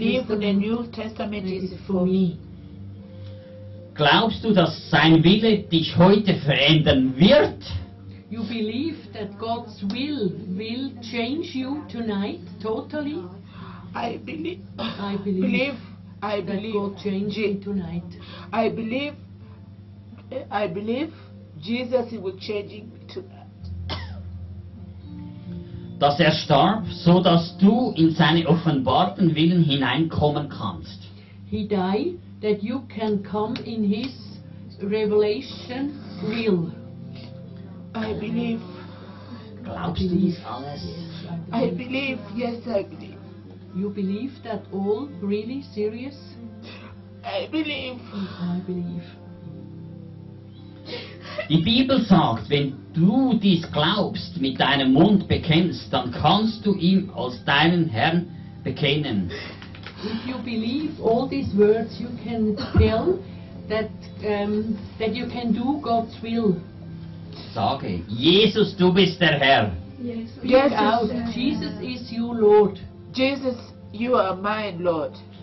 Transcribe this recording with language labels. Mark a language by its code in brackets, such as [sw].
[en] I believe the New Testament is for me. [de] Glaubst du, dass sein Wille dich heute verändern wird? [en] You believe that God's will change you tonight totally? I believe Jesus will change me tonight. [de] Dass er starb, so dass du in seine offenbarten Willen hineinkommen kannst. [en] He died that you can come in his revelation will. I believe. [de] Glaubst du dies alles? [en] I believe, yes, I believe. You believe that all? Really? Serious? I believe. [de] Die Bibel sagt, wenn du dies glaubst, mit deinem Mund bekennst, dann kannst du ihn als deinen Herrn bekennen. [en] If you believe all these words, you can tell that that you can do God's will. [de] Sage, Jesus, du bist der Herr. [en] Yes, Jesus is you, Lord. Jesus, you are mine, Lord.